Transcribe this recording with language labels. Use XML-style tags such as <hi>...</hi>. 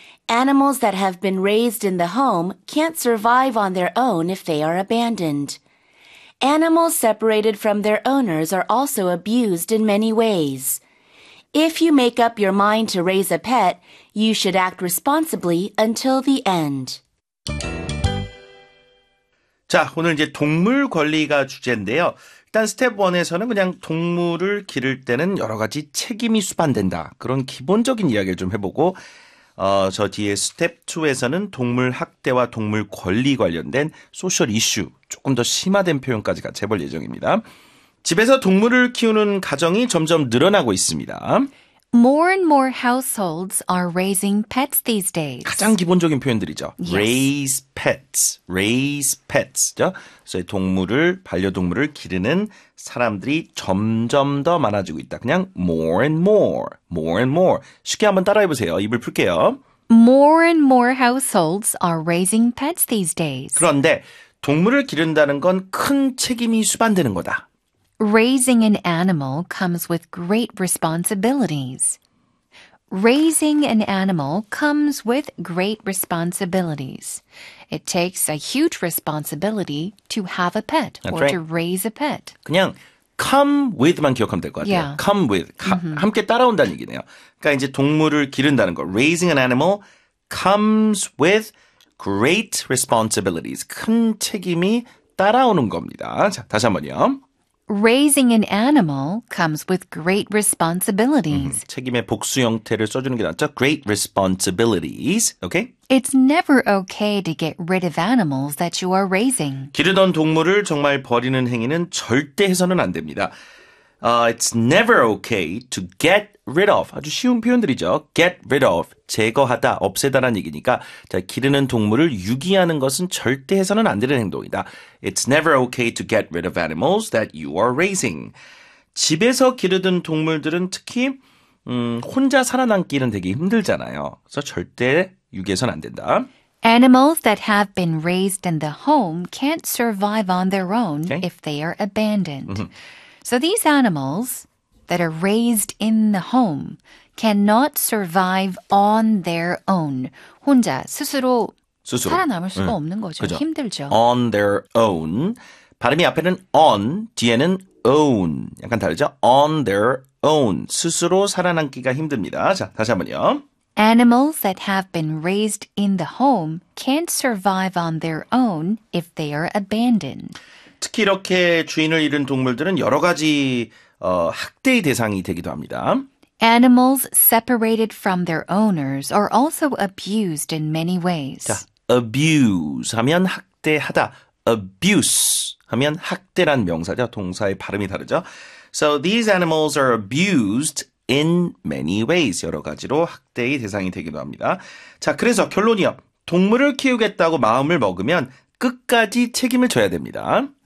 <en>Animals that have been raised in the home can't survive on their own if they are abandoned. Animals separated from their owners are also abused in many ways. If you make up your mind to raise a pet, you should act responsibly until the end.</en> <ko>자, 오늘 이제 동물 권리가 주제인데요. 일단 스텝 1에서는 그냥 동물을 기를 때는 여러 가지 책임이 수반된다. 그런 기본적인 이야기를 좀 해보고 저 뒤에 스텝 2에서는 동물 학대와 동물 권리 관련된 소셜 이슈, 조금 더 심화된 표현까지 같이 해볼 예정입니다. 집에서 동물을 키우는 가정이 점점 늘어나고 있습니다.</ko> <en>More and more households are raising pets these days.</en> <ko>가장 기본적인 표현들이죠.</ko> <en>Yes. Raise pets. Raise pets.</en> <ko>그래서 동물을, 반려동물을 기르는 사람들이 점점 더 많아지고 있다. 그냥</ko> <en>more and more. More and more.</en> <ko>쉽게 한번 따라해보세요. 입을 풀게요.</ko> <en>More and more households are raising pets these days.</en> <ko>그런데 동물을 기른다는 건 큰 책임이 수반되는 거다.</ko> <en>Raising an animal comes with great responsibilities. Raising an animal comes with great responsibilities. It takes a huge responsibility to have a pet That's or right. to raise a pet.</en> <ko>그냥</ko> <en>come with</en> <ko>만 기억하면 될 것 같아요.</ko> <en>Yeah. Come with.</en> <ko>함께 따라온다는 얘기네요. 그러니까 이제 동물을 기른다는 거.</ko> <en>Raising an animal comes with great responsibilities.</en> <ko>큰 책임이 따라오는 겁니다. 자, 다시 한 번요.</ko> <en>Raising an animal comes with great responsibilities.</en> <ko>책임의 복수 형태를 써주는 게 낫죠.</ko> <en>Great responsibilities. Okay? It's never okay to get rid of animals that you are raising.</en> <ko>기르던 동물을 정말 버리는 행위는 절대 해서는 안 됩니다.</ko> <en>It's never okay to get rid of.</en> <ko>아주 쉬운 표현들이죠.</ko> <en>Get rid of.</en> <ko>제거하다, 없애다라는 얘기니까 자, 기르는 동물을 유기하는 것은 절대 해서는 안 되는 행동이다.</ko> <en>It's never okay to get rid of animals that you are raising.</en> <ko>집에서 기르던 동물들은 특히 혼자 살아남기는 되게 힘들잖아요. 그래서 절대 유기해서는 안 된다.</ko> <en>Animals that have been raised in the home can't survive on their own okay? if they are abandoned. So these animals that are raised in the home cannot survive on their own.</en> <ko>혼자 스스로 살아남을 수가 없는 거죠. 그죠. 힘들죠.</ko> <en>On their own.</en> <ko>발음이 앞에는 on, 뒤에는 own. 약간 다르죠?</ko> <en>On their own.</en> <ko>스스로 살아남기가 힘듭니다. 자, 다시 한번요.</ko> <en>Animals that have been raised in the home can't survive on their own if they are abandoned.</en> <ko>특히 이렇게 주인을 잃은 동물들은 여러 가지 학대의 대상이 되기도 합니다.</ko> <en>Animals separated from their owners are also abused in many ways.</en> <ko>자, abuse 하면 학대하다. Abuse 하면 학대란 명사죠. 동사의 발음이 다르죠.</ko> <en>So these animals are abused in many ways.</en> <ko>여러 가지로 학대의 대상이 되기도 합니다. 자, 그래서 결론이요. 동물을 키우겠다고 마음을 먹으면 끝까지 책임을 져야 됩니다.</ko>